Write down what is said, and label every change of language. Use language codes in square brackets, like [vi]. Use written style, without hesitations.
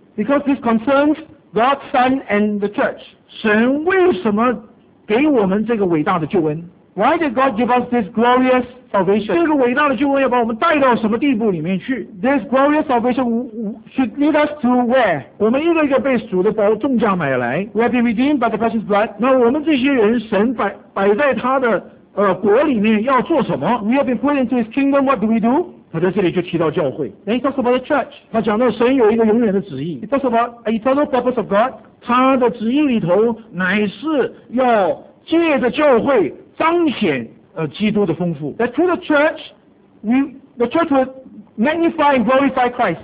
[en] Because this concerns God's Son and the Church. [zh] 神为什么给我们这个伟大的救恩？ [en] Why did God give us this glorious salvation? [zh] 这个伟大的救恩要把我们带到什么地步里面去？ [en] This glorious salvation should lead us to where? [zh] 我们一个一个被主的宝重价买来。 [en] We have been redeemed by the precious blood. [zh] 那我们这些人，神摆在他的国里面要做什么？ [en] We have been put into His kingdom. What do we do? [zh] 他在这里就提到教会。 [en] And he talks about the church. [zh] 他讲到神有一个永远的旨意。 [en] He talks about an eternal purpose of God. [zh] 他的旨意里头乃是要借着教会彰显基督的丰富。 [en] That through the church, the church will magnify and glorify Christ.